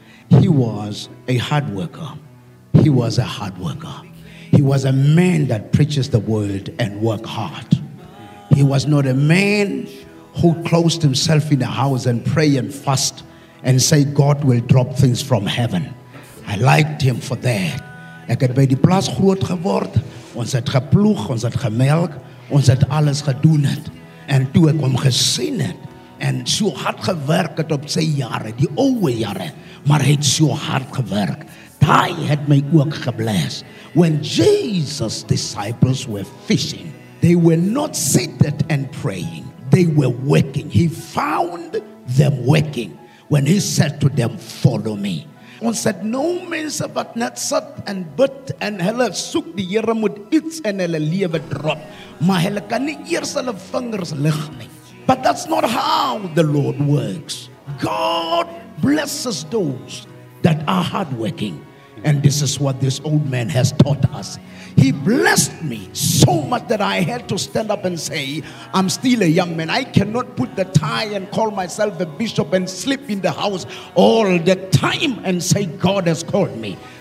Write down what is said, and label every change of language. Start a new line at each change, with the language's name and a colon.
English: He was a hard worker. He was a hard worker. He was a man that preaches the word and work hard. He was not a man who closed himself in a house and pray and fast and say God will drop things from heaven. I liked him for that.
Afrikaans: Ek het by die plaas groot geword. Ons het geploeg, ons het gemelk, ons het alles gedoen het. En toe ek hom gesien het en so hard gewerk het op sy jare, die ouwe jare, maar hy het so hard gewerk. Daai het my ook geblees.
English: When Jesus' disciples were fishing, they were not seated and praying. They were working. He found them working when he said to them, follow me.
Afrikaans: Ons het no mense wat net sit en bid en hulle soek die Here moet iets in hulle lewe drop. Maar hulle kan nie eers hulle vingers lig nie.
English: But that's not how the Lord works. God blesses those that are hardworking. And this is what this old man has taught us. He blessed me so much that I had to stand up and say, I'm still a young man. I cannot put the tie and call myself a bishop and sleep in the house all the time and say, God has called me.